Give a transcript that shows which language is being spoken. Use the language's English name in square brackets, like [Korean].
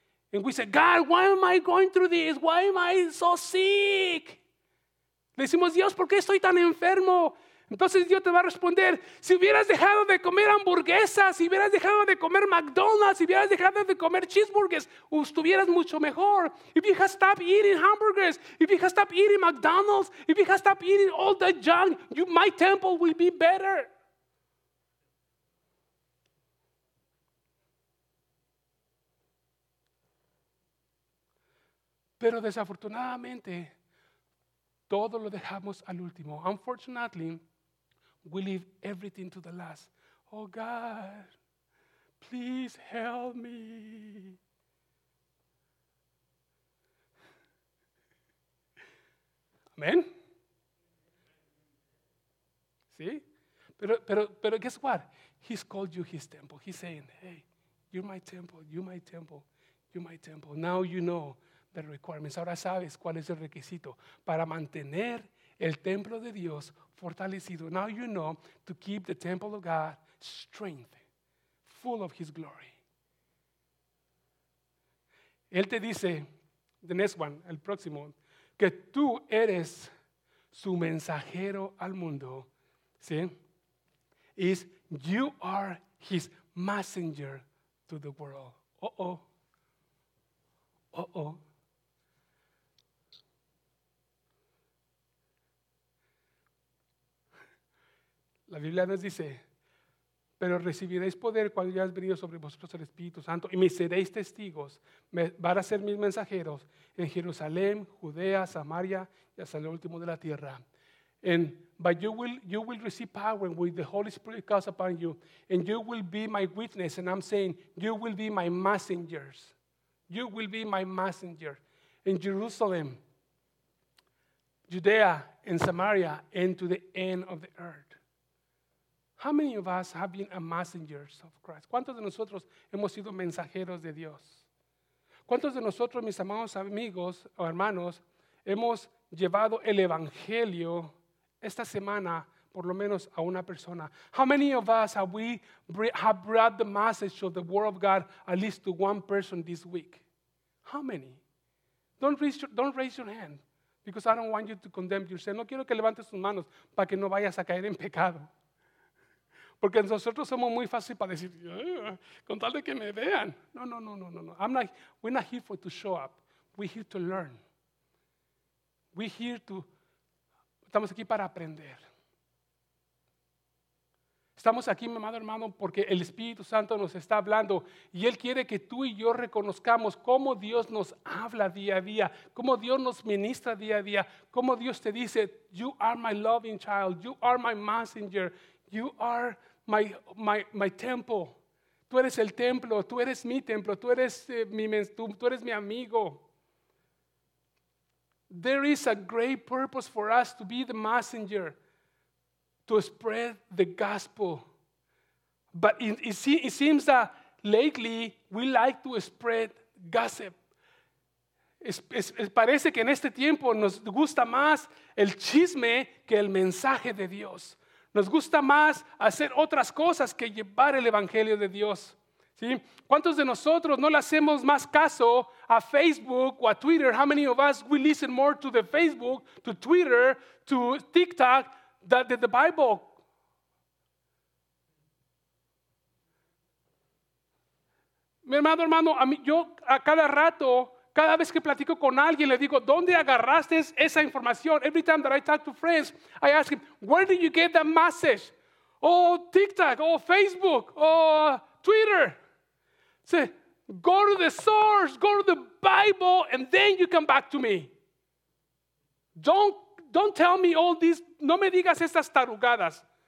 [English] And we say, God, why am I going through this? Why am I so sick? [Spanish] Le decimos, Dios, ¿por qué estoy tan enfermo? Entonces Dios te va a responder, si hubieras dejado de comer hamburguesas, si hubieras dejado de comer McDonald's, si hubieras dejado de comer cheeseburgers, estuvieras mucho mejor. [English] If you had stopped eating hamburgers, if you had stopped eating McDonald's, if you had stopped eating all that junk, my temple will be better. [Spanish] Pero desafortunadamente, todo lo dejamos al último. [English] Unfortunately, we leave everything to the last. Oh God, please help me. Amen. [Spanish] ¿Sí? Pero [English] guess what? He's called you his temple. He's saying, hey, you're my temple, you're my temple, you're my temple. Now you know. The requirements. [Spanish] Ahora sabes cuál es el requisito para mantener el templo de Dios fortalecido. [English] Now you know to keep the temple of God strength, full of his glory. [Spanish] Él te dice, [English] the next one, [Spanish] el próximo, que tú eres su mensajero al mundo. ¿Sí? [English] Is you are his messenger to the world. Oh. [Spanish] La Biblia nos dice, pero recibiréis poder cuando ya has venido sobre vosotros el Espíritu Santo y me seréis testigos, van a ser mis mensajeros en Jerusalén, Judea, Samaria y hasta el último de la tierra. [English] And, but you will receive power when the Holy Spirit comes upon you and you will be my witness. And I'm saying, you will be my messengers. You will be my messenger in Jerusalem, Judea, and Samaria, and to the end of the earth. How many of us have been a messengers of Christ? [Spanish] ¿Cuántos de nosotros hemos sido mensajeros de Dios? ¿Cuántos de nosotros, mis amados amigos o hermanos, hemos llevado el evangelio esta semana, por lo menos a una persona? [English] How many of us have brought the message of the word of God at least to one person this week? How many? Don't raise your hand, because I don't want you to condemn yourself. [Spanish] No quiero que levantes tus manos para que no vayas a caer en pecado. Porque nosotros somos muy fácil para decir, con tal de que me vean. [English] No. We're not here for to show up. We're here to learn. [Spanish] Estamos aquí para aprender. Estamos aquí, mi amado hermano, porque el Espíritu Santo nos está hablando y Él quiere que tú y yo reconozcamos cómo Dios nos habla día a día, cómo Dios nos ministra día a día, cómo Dios te dice, [English] you are my loving child, you are my messenger, you are my temple. [Spanish] Tú eres el templo, tú eres mi templo, tú eres mi amigo. [English] There is a great purpose for us to be the messenger, to spread the gospel. But it seems that lately we like to spread gossip. [Spanish] Parece que en este tiempo nos gusta más el chisme que el mensaje de Dios. Nos gusta más hacer otras cosas que llevar el evangelio de Dios. ¿Sí? ¿Cuántos de nosotros no le hacemos más caso a Facebook o a Twitter? [English] How many of us we listen more to the Facebook, to Twitter, to TikTok than the Bible? [Spanish] Mi hermano, a mí, yo a cada rato, cada vez que platico con alguien, le digo, ¿dónde agarraste esa información? [English] Every time that I talk to friends, I ask him, where did you get that message? Oh, TikTok, oh, Facebook, oh, Twitter. Say, go to the source, go to the Bible, and then you come back to me. Don't tell me all these, [Spanish] no me digas estas tarugadas.